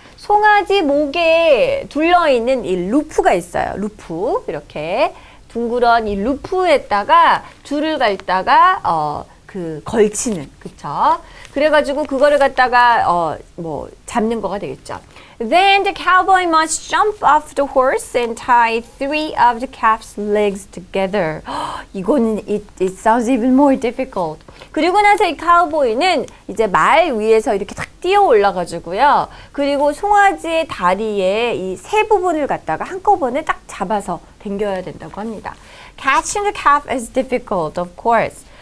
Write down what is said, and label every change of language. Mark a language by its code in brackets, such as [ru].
[ko] 송아지 목에 둘러있는 이 루프가 있어요. 루프, 이렇게. 둥그런 이 루프에다가 줄을 갖다가 걸치는, 그쵸? 그래가지고 그거를 갖다가 잡는 거가 되겠죠. [en] Then the cowboy must jump off the horse and tie three of the calf's legs together. [ko] 이거는 [en] it sounds even more difficult. [ko] 그리고 나서 이 카우보이는 이제 말 위에서 이렇게 탁 뛰어 올라가지고요. 그리고 송아지의 다리에 이 세 부분을 갖다가 한꺼번에 딱 잡아서 댕겨야 된다고 합니다. [en] Catching the calf is difficult, of course.